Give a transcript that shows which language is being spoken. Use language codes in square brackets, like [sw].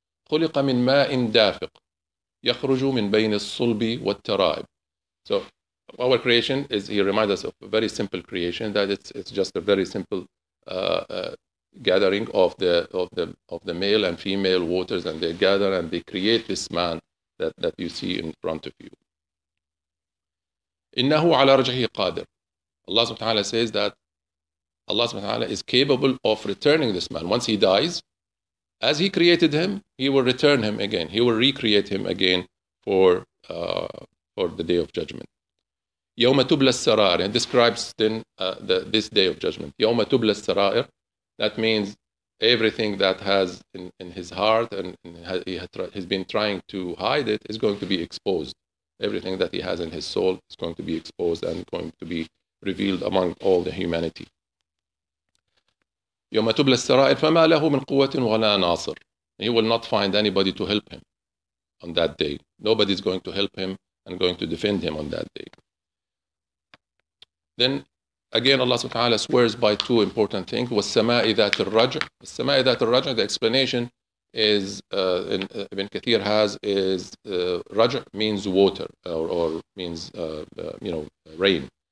[ar] خلق من ماء دافق يخرج من بين الصلب والترائب. [en] So our creation is, he reminds us of a very simple creation, that it's just a very simple gathering of the male and female waters, and they gather and they create this man that you see in front of you. [ar] إنه على رجعه قادر. [en] Allah subhanahu wa ta'ala says that Allah subhanahu wa ta'ala is capable of returning this man once he dies. As he created him, he will return him again. He will recreate him again for the day of judgment. [ar] يَوْمَ تُبْلَى السَّرَائِرِ. [en] It describes then this day of judgment. يَوْمَ تُبْلَى السَّرَائِرِ. That means everything that has in his heart and he's been trying to hide it is going to be exposed. Everything that he has in his soul is going to be exposed and going to be revealed among all the humanity. [ar] يوم تبلى السرائر فما له من قوة ولا ناصر. [en] He will not find anybody to help him on that day. Nobody is going to help him and going to defend him on that day. Then again, Allah subhanahu wa ta'ala swears by two important things. [ar] وَالسَّمَاءِ ذَاتِ الرَّجْعِ وَالسَّمَاءِ ذَاتِ الرَّجْعِ [en] The explanation is, Ibn Kathir has, is رَجْعِ means water or means, you know, rain.